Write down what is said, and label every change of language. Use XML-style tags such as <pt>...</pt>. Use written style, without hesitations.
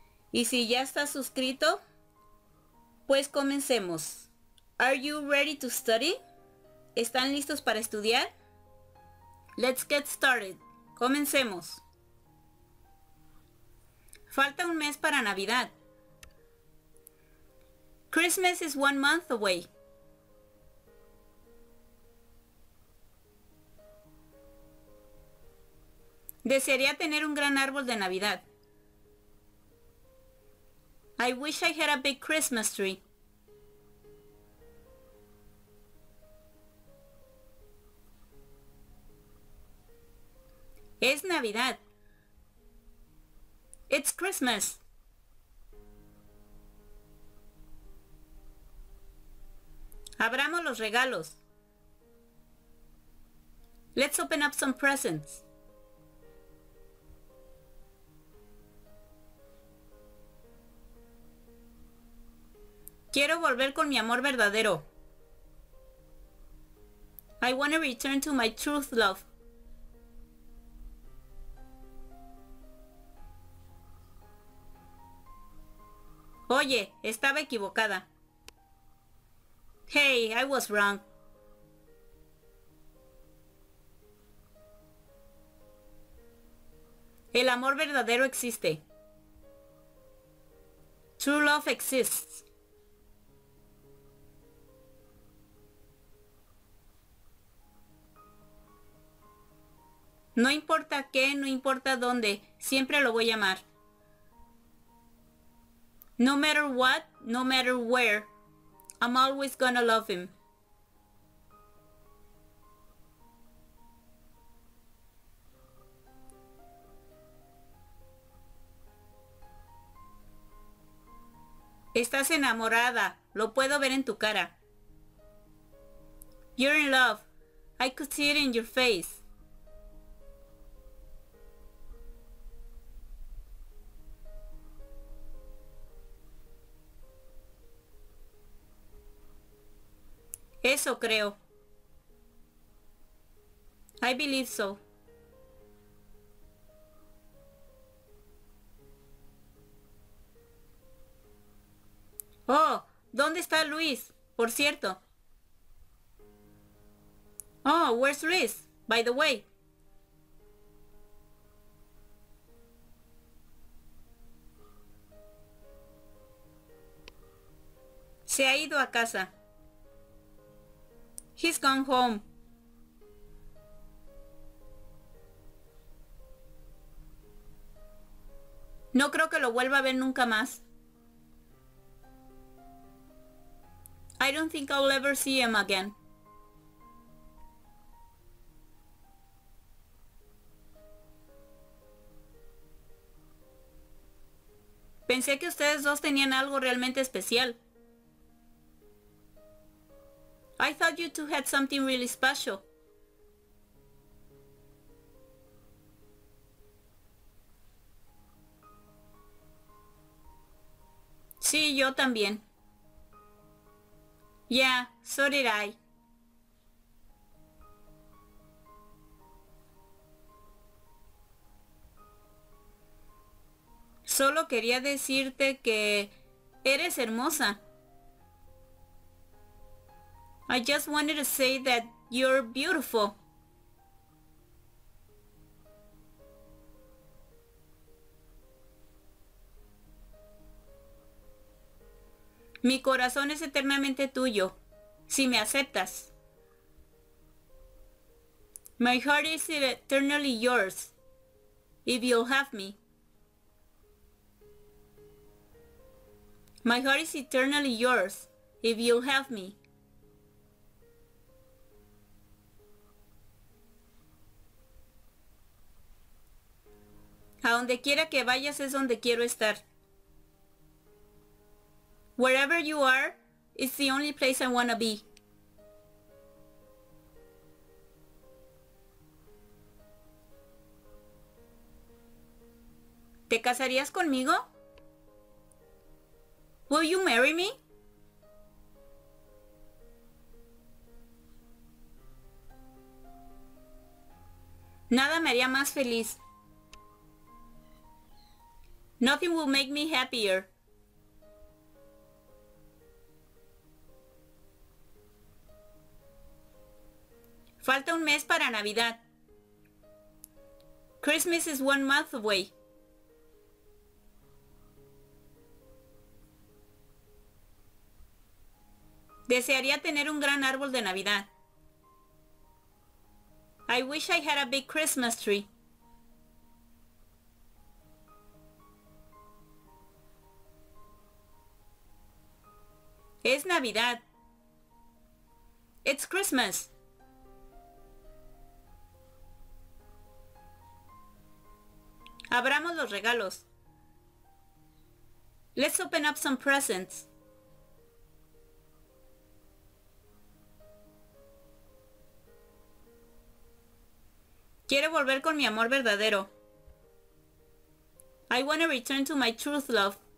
<es>Y si ya estás suscrito, pues comencemos.</es> <en>Are you ready to study?</en> <es>¿Están listos para estudiar?</es> <en>Let's get started.</en> <es>Comencemos. Falta un mes para Navidad.</es> <en>Christmas is 1 month away.</en> <es>Desearía tener un gran árbol de Navidad.</es> <en>I wish I had a big Christmas tree.</en> <es>Es Navidad.</es> <en>It's Christmas.</en> <es>Abramos los regalos.</es> <en>Let's open up some presents.</en> <es>Quiero volver con mi amor verdadero.</es> <en>I want to return to my truth love.</en> <es>Oye, estaba equivocada.</es> <en>Hey, I was wrong.</en> <es>El amor verdadero existe.</es> <en>True love exists.</en> <es>No importa qué, no importa dónde, siempre lo voy a amar.</es> <en>No matter what, no matter where, I'm always gonna love him.</en> <es>Estás enamorada, lo puedo ver en tu cara.</es> <en>You're in love, I could see it in your face.</en> <es>Eso creo.</es> <en>I believe so.</en> <es>Oh, ¿dónde está Luis? Por cierto.</es> <en>Oh, where's Luis? By the way.</en> <es>Se ha ido a casa.</es> <en>He's gone home.</en> <es>No creo que lo vuelva a ver nunca más.</es> <en>I don't think I'll ever see him again.</en> <es>Pensé que ustedes dos tenían algo realmente especial.</es> <en>I thought you two had something really special.</en> <es>Sí, yo también.</es> <en>Yeah, so did I.</en> <es>Solo quería decirte que eres hermosa.</es> <en>I just wanted to say that you're beautiful.</en> <es>Mi corazón es eternamente tuyo, si me aceptas.</es> <en>My heart is eternally yours, if you'll have me. My heart is eternally yours, if you'll have me.</en> <es>A donde quiera que vayas es donde quiero estar.</es> <en>Wherever you are, it's the only place I wanna be.</en> <es>¿Te casarías conmigo?</es> <en>Will you marry me?</en> <es>Nada me haría más feliz.</es> <en>Nothing will make me happier.</en> <es>Falta un mes para Navidad.</es> <en>Christmas is 1 month away.</en> <es>Desearía tener un gran árbol de Navidad.</es> <en>I wish I had a big Christmas tree.</en> <es>Es Navidad.</es> <en>It's Christmas.</en> <es>Abramos los regalos.</es> <en>Let's open up some presents.</en> <es>Quiero volver con mi amor verdadero.</es> <en>I want to return to my truth love.</en>